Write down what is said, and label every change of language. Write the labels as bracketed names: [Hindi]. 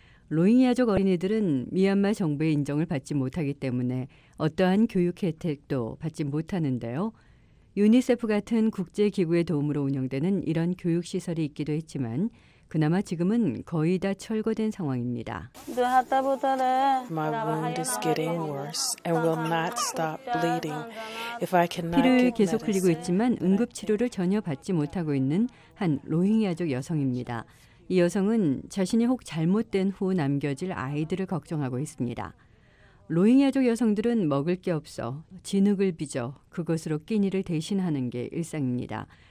[Korean] 로힝야족 어린이들은 미얀마 정부의 인정을 받지 못하기 때문에 어떠한 교육 혜택도 받지 못하는데요. 유니세프 같은 국제기구의 도움으로 운영되는 이런 교육시설이 있기도 했지만 그나마 지금은 거의 다 철거된 상황입니다. [English] My wound is getting worse and will not stop bleeding. If I cannot get [Korean] 피를 계속 흘리고 있지만 응급 치료를 전혀 받지 못하고 있는 한 로힝야족 여성입니다. 이 여성은 자신이 혹 잘못된 후 남겨질 아이들을 걱정하고 있습니다. 로힝야족 여성들은 먹을 게 없어 진흙을 빚어 그것으로 끼니를 대신하는 게 일상입니다.